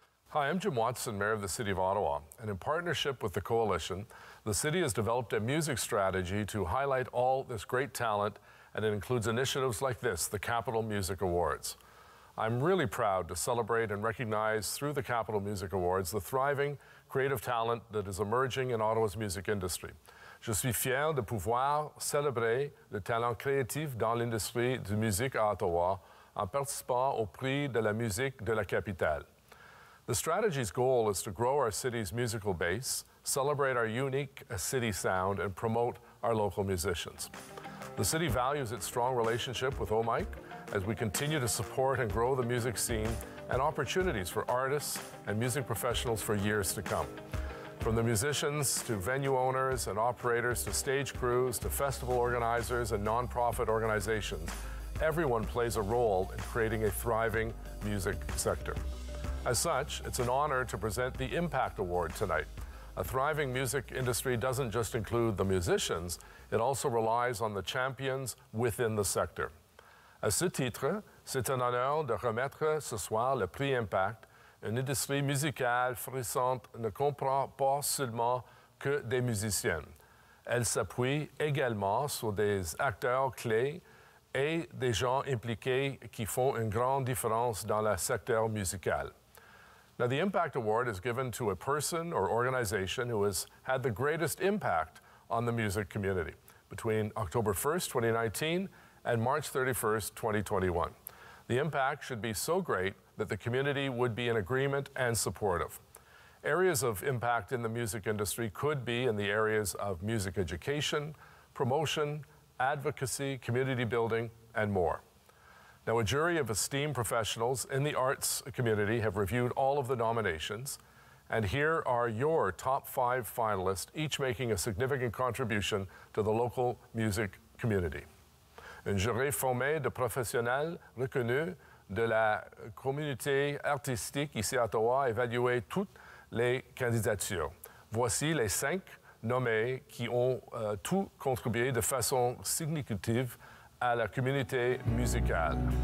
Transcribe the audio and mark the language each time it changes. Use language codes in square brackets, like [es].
[en] Hi, I'm Jim Watson, Mayor of the City of Ottawa, and in partnership with the Coalition, the city has developed a music strategy to highlight all this great talent, and it includes initiatives like this, the Capital Music Awards. I'm really proud to celebrate and recognize through the Capital Music Awards the thriving creative talent that is emerging in Ottawa's music industry. [fr] Je suis fier de pouvoir célébrer le talent créatif dans l'industrie de musique à Ottawa en participant au Prix de la musique de la capitale. [en] The strategy's goal is to grow our city's musical base, celebrate our unique city sound, and promote our local musicians. The city values its strong relationship with OMIC as we continue to support and grow the music scene and opportunities for artists and music professionals for years to come. From the musicians to venue owners and operators to stage crews to festival organizers and nonprofit organizations, everyone plays a role in creating a thriving music sector. As such, it's an honor to present the Impact Award tonight. A thriving music industry doesn't just include the musicians, it also relies on the champions within the sector. [fr] À ce titre, c'est un honneur de remettre ce soir le Prix Impact. Une industrie musicale florissante ne comprend pas seulement que des musiciens. Elle s'appuie également sur des acteurs clés et des gens impliqués qui font une grande différence dans le secteur musical. [en] Now, the Impact Award is given to a person or organization who has had the greatest impact on the music community between October 1st, 2019 and March 31st, 2021. The impact should be so great that the community would be in agreement and supportive. Areas of impact in the music industry could be in the areas of music education, promotion, advocacy, community building, and more. Now, a jury of esteemed professionals in the arts community have reviewed all of the nominations, and here are your top five finalists, each making a significant contribution to the local music community. [fr] Un jury formé de professionnels reconnus de la communauté artistique ici à Ottawa a évalué toutes les candidatures. Voici les cinq nommés qui ont tout contribué de façon significative à la communauté musicale.